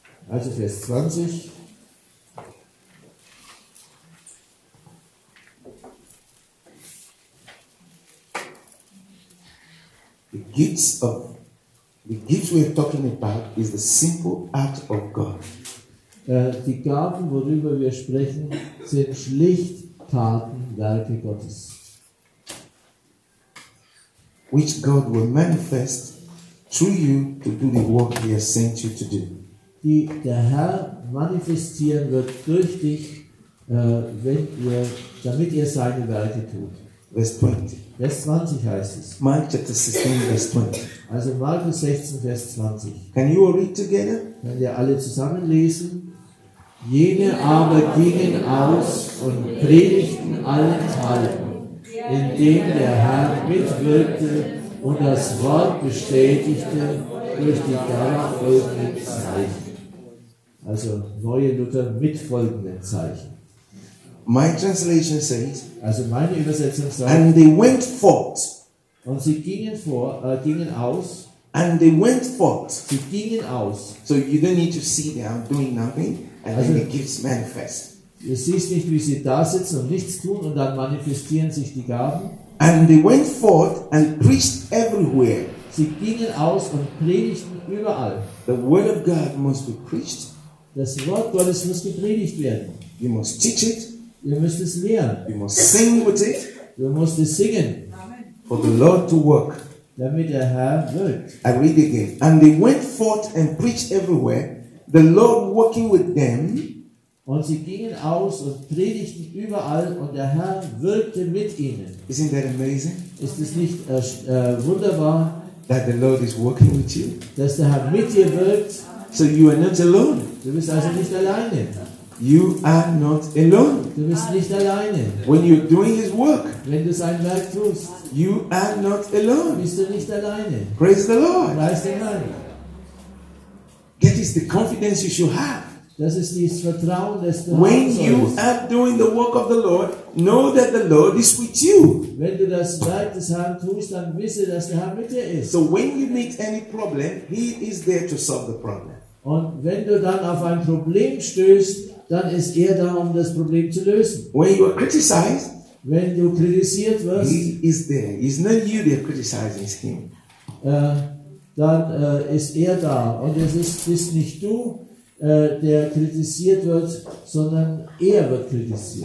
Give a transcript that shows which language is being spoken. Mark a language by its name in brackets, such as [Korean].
[German] Also Vers 20. [English] The gifts we're talking about is the simple act of God. [German] Die Gaben, worüber wir sprechen, sind schlicht Taten, Werke Gottes. [English] Which God will manifest through you to do the work he has sent you to do. [German] Die der Herr manifestieren wird durch dich, damit ihr seine Werke tut. Vers 20. Vers 20 heißt es. [English] Mark chapter 16, [German] Vers 20. Also Markus 16, Vers 20. [English] Can you all read together? [German] Könnt ihr alle zusammen lesen? Jene aber gingen aus und predigten allenthalben, indem der Herr mitwirkte und das Wort bestätigte durch die darauf folgenden Zeichen. Also neue Luther mit folgenden Zeichen. [English] My translation says, [German] also meine Übersetzung sagt, [English] and they went forth. [German] Und sie gingen vor, gingen aus. [English] And they went forth. [German] Sie gingen aus. [English] So you don't need to see them doing nothing, and also, then the gifts manifest. [German] Du siehst nicht, wie sie da sitzen und nichts tun, und dann manifestieren sich die Gaben. [English] And they went forth and preached everywhere. [German] Sie gingen aus und predigten überall. [English] The word of God must be preached. [German] Das Wort Gottes muss gepredigt werden. [English] You must teach it. [German] Ihr müsst es lehren. [English] You must sing with it. [German] Du musst es singen. [English] For the Lord to work. [German] Damit der Herr wirkt. [English] I read again. And they went forth and preached everywhere, the Lord working with them. [German] Und sie gingen aus und predigten überall und der Herr wirkte mit ihnen. [English] Isn't that amazing? [German] Ist es nicht wunderbar, [English] that the Lord is working with you? [German] Dass der Herr mit dir wirkt. [English] So you are not alone. [German] Du bist also nicht alleine. [English] You are not alone. [German] Du bist nicht alleine. [English] When you're doing his work, [German] wenn du sein Werk tust, [English] you are not alone. [German] Bist du nicht alleine. [English] Praise the Lord. [German] Preist den Herrn. [English] That is the confidence you should have. [German] Das ist das Vertrauen, das du [English] when you are doing the work of the Lord, know that the Lord is with you. [German] Wenn du das Werk des Herrn tust, dann wisse, dass der Herr mit dir ist. [English] So when you meet any problem, he is there to solve the problem. [German] Und wenn du dann auf ein Problem stößt, dann ist er da, um das Problem zu lösen. [English] When you are criticized, [German] wenn du kritisiert wirst, [English] he is there. It's not you that are criticizing him. [German] Dann ist er da. Und es ist nicht du, der kritisiert wird, sondern er wird kritisiert.